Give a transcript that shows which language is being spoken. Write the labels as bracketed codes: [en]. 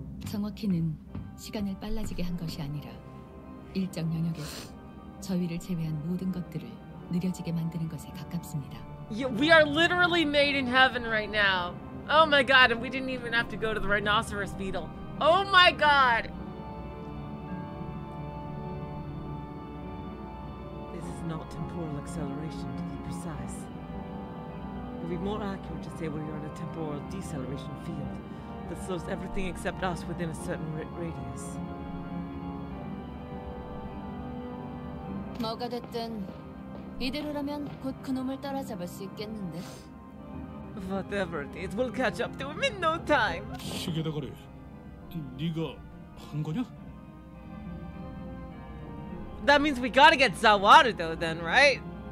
[ko] 정확히는 시간을 빨라지게 한 것이 아니라 일정 영역에서 저희를 제외한 모든 것들을 느려지게 만드는 것에 가깝습니다. [en] We are literally made in heaven right now. Oh my god, and we didn't even have to go to the rhinoceros beetle. Oh my god! This is not temporal acceleration, to be precise. It would be more accurate to say we are in a temporal deceleration field that slows everything except us within a certain radius. [ko] 뭐가 됐든 이대로라면 곧 그놈을 따라잡을 수 있겠는데? [en] Whatever it is, we'll catch up to him in no time! [ko] 시계대가리, 네가 한 거냐? [en] That means we gotta get Zawaruto then, right?